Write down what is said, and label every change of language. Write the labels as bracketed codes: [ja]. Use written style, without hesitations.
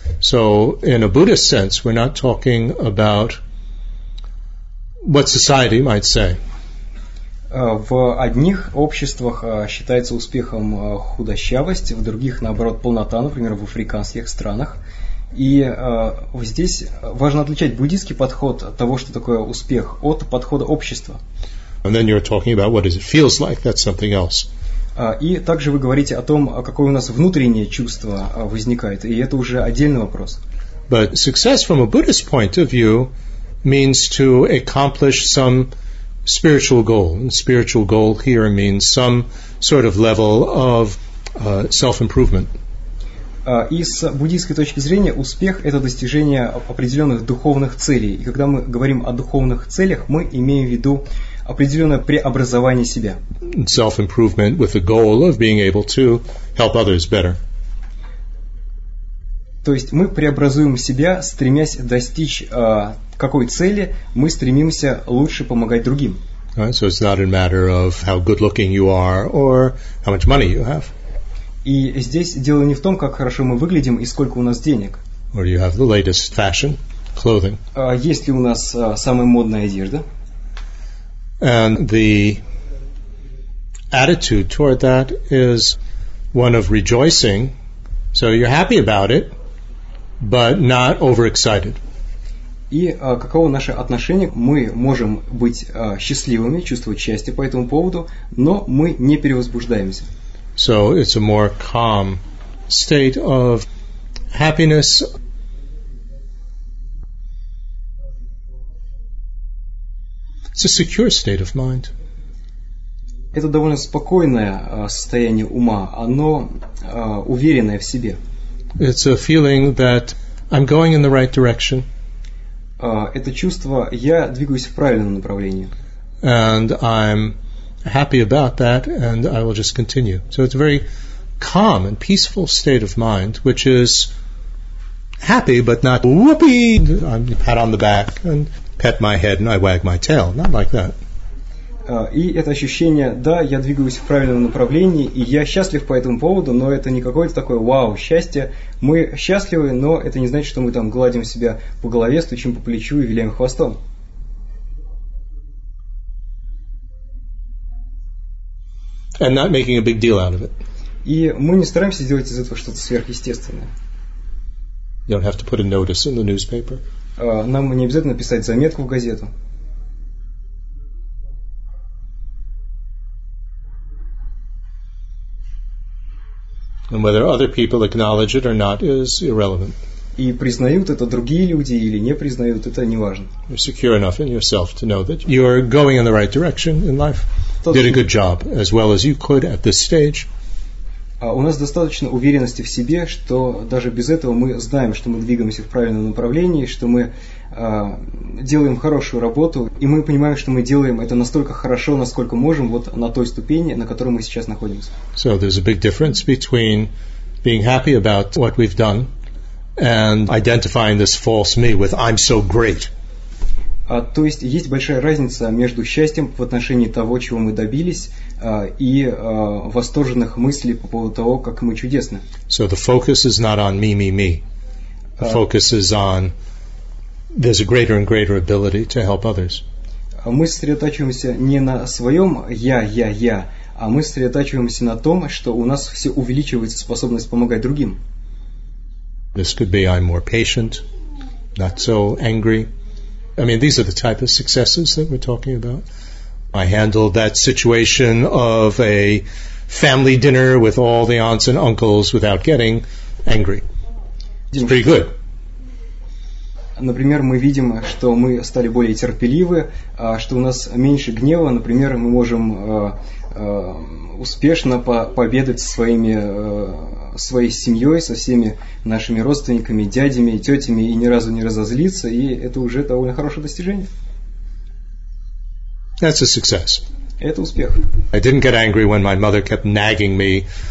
[en] So, in a Buddhist sense, we're not talking about what society might say. [ru] В одних обществах считается успехом худощавость, в других, наоборот, полнота, например, в африканских странах. И здесь важно отличать буддийский подход того, что такое успех, от подхода общества. [en] And then you're talking about what it feels like, that's something else. [ru] И также вы говорите о том, какое у нас внутреннее чувство возникает, и это уже отдельный вопрос. [en] But success from a Buddhist point of view means to accomplish some spiritual goal. And spiritual goal here means some sort of level of self-improvement. [ru] И с буддийской точки зрения успех – это достижение определенных духовных целей. И когда мы говорим о духовных целях, мы имеем в виду определенное преобразование себя. [en] Self-improvement with the goal of being able to help others better. [ru] То есть мы преобразуем себя, стремясь достичь какой цели, мы стремимся лучше помогать другим. [en] Right, so it's not a matter of how good-looking you are or how much money you have. [ru] И здесь дело не в том, как хорошо мы выглядим и сколько у нас денег. [en] Or you have the latest fashion, clothing. [ru] Есть ли у нас самая модная одежда? [en] And the attitude toward that is one of rejoicing. So you're happy about it, but not overexcited. [ru] И каково наше отношение? Мы можем быть счастливыми, чувствовать счастье по этому поводу, но мы не перевозбуждаемся. [en] So it's a more calm state of happiness. It's a secure state of mind. [ru] Это довольно спокойное состояние ума, оно уверенное в себе. [en] It's a feeling that I'm going in the right direction. [ru] Это чувство, я двигаюсь в правильном направлении. [en] And I'm happy about that, and I will just continue. So it's a very calm and peaceful state of mind, which is happy, but not whoopee, I'm pat on the back and pet my head and I wag my tail. Not like that. [ru] И это ощущение, да, я двигаюсь в правильном направлении, и я счастлив по этому поводу, но это не какое-то такое вау, счастье. Мы счастливы, но это не значит, что мы там гладим себя по голове, стучим по плечу и виляем хвостом. [en] And not making a big deal out of it. [ru] И мы не стараемся сделать из этого что-то сверхъестественное. [en] You don't have to put a notice in the newspaper. [ru] Нам не обязательно писать заметку в газету. [en] And whether other people acknowledge it or not is irrelevant. [ru] И признают это другие люди или не признают, это не важно. [en] You're secure enough in yourself to know that you're going in the right direction in life. Did a good job, as well as you could at this stage. [ru] У нас достаточно уверенности в себе, что даже без этого мы знаем, что мы двигаемся в правильном направлении, что мы делаем хорошую работу, и мы понимаем, что мы делаем это настолько хорошо, насколько можем, вот на той ступени, на которой мы сейчас находимся. [en] So there's a big difference between being happy about what we've done and identifying this false me with I'm so great. [ru] То есть есть большая разница между счастьем в отношении того, чего мы добились, и восторженных мыслей по поводу того, как мы чудесны. [en] So the focus is not on me, me, me. The focus is on there's a greater and greater ability to help others. [ru] Мы сосредотачиваемся не на своем я, я, я, а мы сосредотачиваемся на том, что у нас все увеличивается способность помогать другим. [en] This could be I'm more patient, not so angry. I mean, these are the type of successes that we're talking about. I handled that situation of a family dinner with all the aunts and uncles without getting angry. It's pretty good. [ru] Например, мы видим, что мы стали более терпеливы, что у нас меньше гнева. Например, мы можем успешно пообедать со своей семьей, со всеми нашими родственниками, дядями, тетями и ни разу не разозлиться. И это уже довольно хорошее достижение. [en] That's a success. [ru] Это успех. [en] I didn't get angry when my mother kept nagging me.